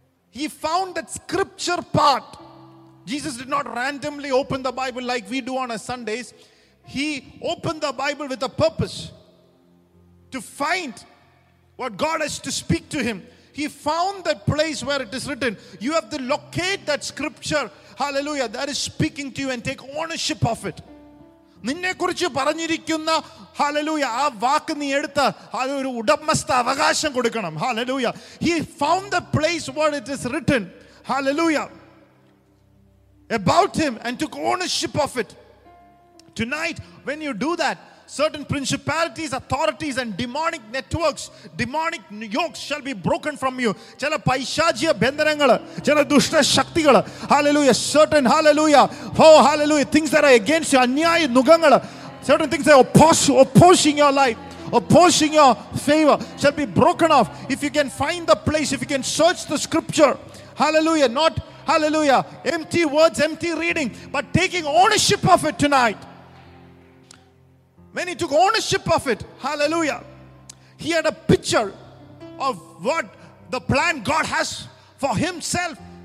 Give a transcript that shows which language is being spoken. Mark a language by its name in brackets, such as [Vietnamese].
[English] He found that scripture part. Jesus did not randomly open the Bible like we do on a Sundays. He opened the Bible with a purpose, to find what God has to speak to him. He found that place where it is written. You have to locate that scripture. Hallelujah. That is speaking to you and take ownership of it. [Malayalam] നിന്നെ കുറിച്ച് പറഞ്ഞിരിക്കുന്ന hallelujah ആ വാക്ക് നീ എടുത്ത ഒരു ഉടമസ്ഥ അവകാശം കൊടുക്കണം. [English] Hallelujah he found the place where it is written. Hallelujah about him and took ownership of it. Tonight when you do that, certain principalities, authorities and demonic networks, demonic yokes shall be broken from you. [Malayalam] ചില പൈശാചിക ബന്ധനങ്ങൾ, ചില ദുഷ്ടശക്തികൾ, [English] hallelujah certain, hallelujah oh hallelujah things that are against you, [Malayalam] അന്യായ നുകങ്ങൾ, [English] Certain things are opposing your life, opposing your favor, shall be broken off. If you can find the place, if you can search the scripture, hallelujah, not hallelujah empty words, empty reading, but taking ownership of it tonight. Many took ownership of it. Hallelujah. He had a picture of what the plan God has for himself.